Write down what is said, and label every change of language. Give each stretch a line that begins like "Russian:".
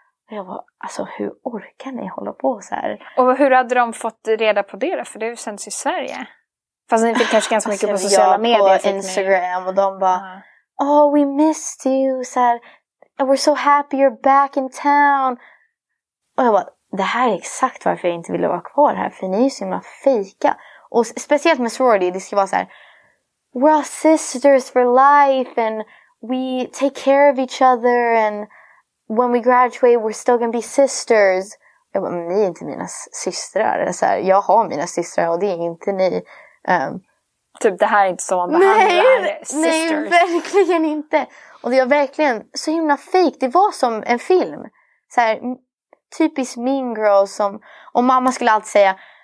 Swedish: Och jag bara, alltså hur orkar ni hålla på så här? Och hur hade de fått reda på det då? För det sänds i Sverige. Fast ni fick kanske ganska mycket alltså, på sociala medier. På Instagram och de bara,
English: oh, we missed you,
Swedish: så här.
English: And we're so happy you're back in town.
Swedish: Och jag bara, det här är exakt varför jag inte ville vara kvar här. För ni är så himla fejka. Och speciellt med sorority, det ska vara så här.
English: We're all sisters for life and we take care of each other and when we graduate we're still gonna be sisters.
Swedish: Jag bara, ni är inte mina systrar. Så här, jag har mina systrar och det är inte ni. Typ det här är inte så man behandlar sisters. Nej, verkligen inte. Och det var verkligen så himla fake. Det var som en film. Så här, typiskt mean girls som, och mamma skulle alltid säga...